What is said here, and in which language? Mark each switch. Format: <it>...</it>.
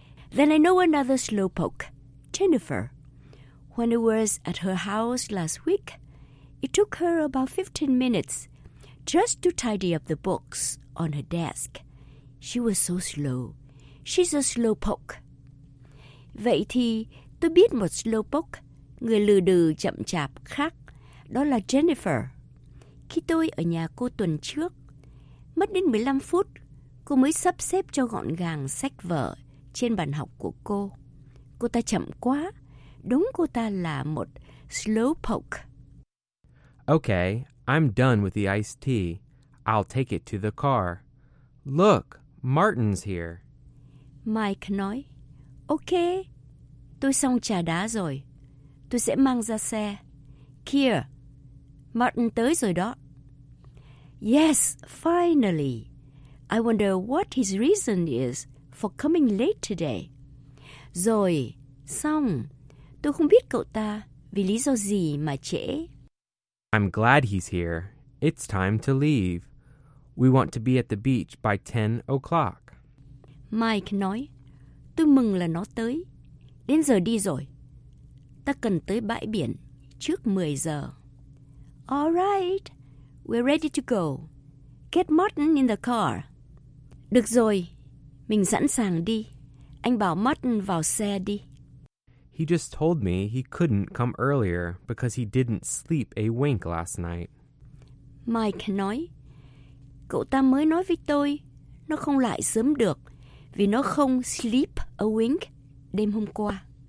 <en>Then I know another Slowpoke, Jennifer. When I was at her house last week, it took her about 15 minutes just to tidy up the books on her desk. She was so slow. She's a Slowpoke.</en> <vi>Vậy thì tôi biết một Slowpoke, người lừ đừ chậm chạp khác, đó là Jennifer. Khi tôi ở nhà cô tuần trước, mất đến 15 phút, cô mới sắp xếp cho gọn gàng sách vở trên bàn học của cô. Cô ta chậm quá. Đúng, cô ta là một Slowpoke.</vi> <en>Okay, I'm done with the iced tea. I'll take it to the car. Look, Martin's here.</en> <vi>Mike nói, okay, tôi xong trà đá rồi. Tôi sẽ mang ra xe. Kia, Martin tới rồi đó.</vi> <en>Yes, finally. I wonder what his reason is for coming late today.</en> <vi>Rồi, xong. Tôi không biết cậu ta vì lý do gì mà trễ.</vi> <en>I'm glad he's here. It's time to leave. We want to be at the beach by 10 o'clock.</en> <vi>Mike nói, tôi mừng là nó tới. Đến giờ đi rồi. Ta cần tới bãi biển trước 10 giờ.</vi> <en>All right. We're ready to go. Get Martin in the car.</en> <vi>Được rồi. Mình sẵn sàng đi. Anh bảo Martin vào xe đi.</vi> <en>He just told me he couldn't come earlier because he didn't sleep a wink last night.</en> <vi>Mike nói, cậu ta mới nói với tôi, nó không lại sớm được vì nó không</vi> <en>sleep a wink</en> <vi>đêm hôm qua.</vi>